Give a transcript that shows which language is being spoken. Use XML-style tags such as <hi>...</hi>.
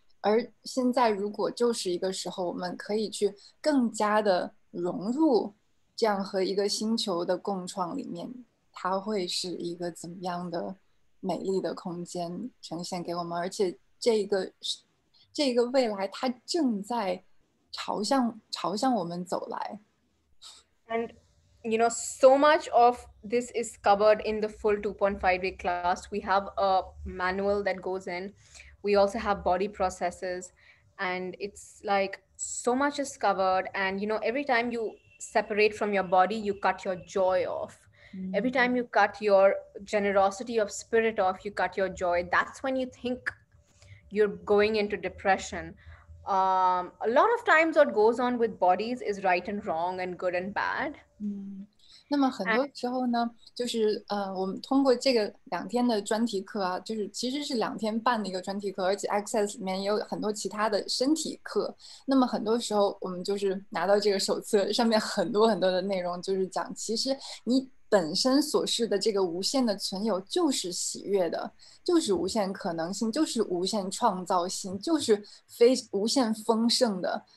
<zh>而现在如果就是一个时候，我们可以去更加的融入这样和一个星球的共创里面，它会是一个怎么样的美丽的空间呈现给我们。而且这个未来它正在朝向我们走来。</zh> <en>And you know, so much of this is covered in the full 2.5-day class. We have a manual that goes in. We also have body processes. And it's like so much is covered. And you know, every time you separate from your body, you cut your joy off. Mm-hmm. Every time you cut your generosity of spirit off, you cut your joy. That's when you think you're going into depression. A lot of times what goes on with bodies is right and wrong and good and bad.</en> <zh>那么很多时候呢，就是我们通过这个两天的专题课啊，就是其实是两天半的一个专题课，而且 Access 里面也有很多其他的身体课。那么很多时候我们就是拿到这个手册，上面很多很多的内容，就是讲其实你本身所示的这个无限的存有就是喜悦的，就是无限可能性，就是无限创造性，就是非无限丰盛的。</zh>